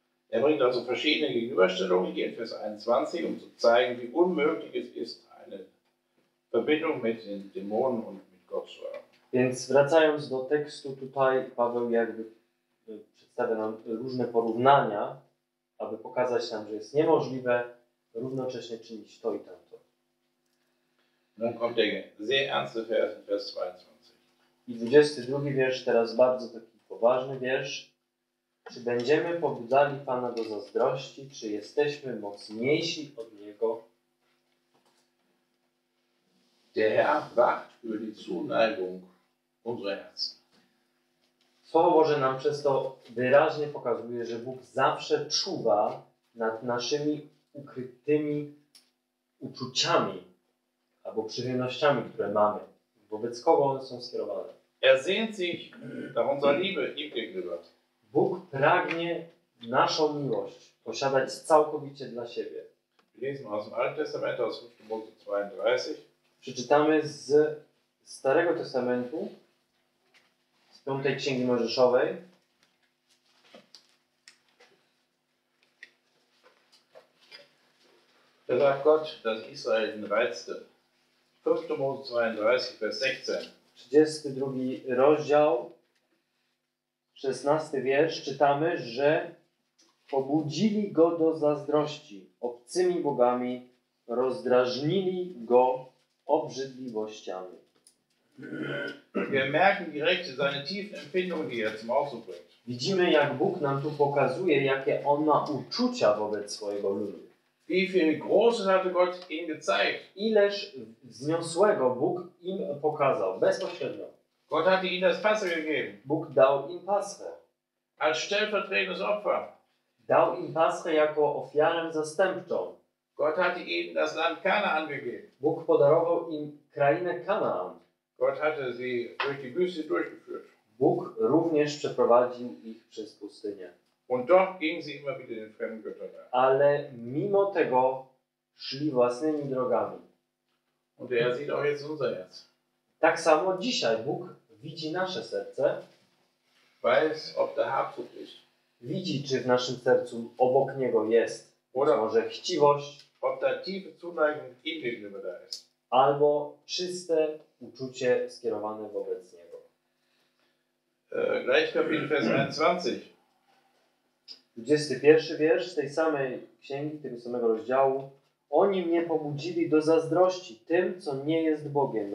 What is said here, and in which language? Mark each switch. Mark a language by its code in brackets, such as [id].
[de] Er bringt also verschiedene Gegenüberstellungen hier in Vers 21, um zu zeigen, wie unmöglich es ist, eine Verbindung mit den Dämonen und mit Gott zu haben. [pl] Więc wracając do tekstu tutaj, Paweł jakby przedstawia nam różne porównania, aby pokazać nam, że jest niemożliwe równocześnie czynić to i tamto. Nun kommt der sehr ernste Vers in Vers 22. I 22 wiersz, teraz bardzo taki poważny wiersz. Czy będziemy pobudzali Pana do zazdrości? Czy jesteśmy mocniejsi od Niego? [de] Der Herr wacht über die Zuneigung unserer Herzen. [pl] Słowo Boże nam przez to wyraźnie pokazuje, że Bóg zawsze czuwa nad naszymi ukrytymi uczuciami albo przychylnościami, które mamy w Wobec kogo one są skierowane? [de] Er sehnt sich nach unserer Liebe ihm gegenüber. [pl] Bóg pragnie naszą miłość posiadać całkowicie dla siebie. [de] Lesen aus dem Alten Testament aus 5. Mose 32. [pl] Przeczytamy z Starego Testamentu, z 5. Księgi Mojżeszowej. [de] Da sagt Gott, dass Israel ihn reizte. 5. Mose 32, Vers 16. [pl] 32 rozdział, 16 wiersz, czytamy, że pobudzili go do zazdrości obcymi bogami, rozdrażnili go obrzydliwościami. [de] Wir merken direkt seine tiefen Empfindungen, die er zum Ausdruck bringt. [pl] Widzimy, jak Bóg nam tu pokazuje, jakie on ma uczucia wobec swojego ludu. [de] Wie viel Großes hatte Gott ihnen gezeigt? [pl] Ileż wzniosłego Bóg im pokazał bezpośrednio. [de] Gott hat ihnen das Passe gegeben. [pl] Bóg dał im Paschę. [de] Als stellvertretendes Opfer. [pl] Dał im Paschę jako ofiarę zastępczą. [de] Gott hat ihnen das Land Kanaan gegeben. [pl] Bóg podarował im krainę Kanaan. [de] Gott hatte sie durch die Wüste durchgeführt. [pl] Bóg również przeprowadził ich przez pustynię. [de] Und doch gingen sie immer wieder den fremden Göttern nach. [pl] Ale mimo tego szli własnymi drogami. [de] Und er sieht auch jetzt unser Herz. [pl] Tak samo dzisiaj Bóg widzi nasze serce. [de] Weiß, ob der Habsucht ist. [pl] Widzi, czy w naszym sercu obok niego jest. [de] Oder [pl] może chciwość. [de] Ob der tiefe Zuneigung ihm gegenüber da ist. [pl] Albo czyste uczucie skierowane wobec niego. [de] Gleich Kapitel Vers 21. [pl] 21 wiersz tej samej księgi, tego samego rozdziału. Oni mnie pobudzili do zazdrości tym, co nie jest Bogiem.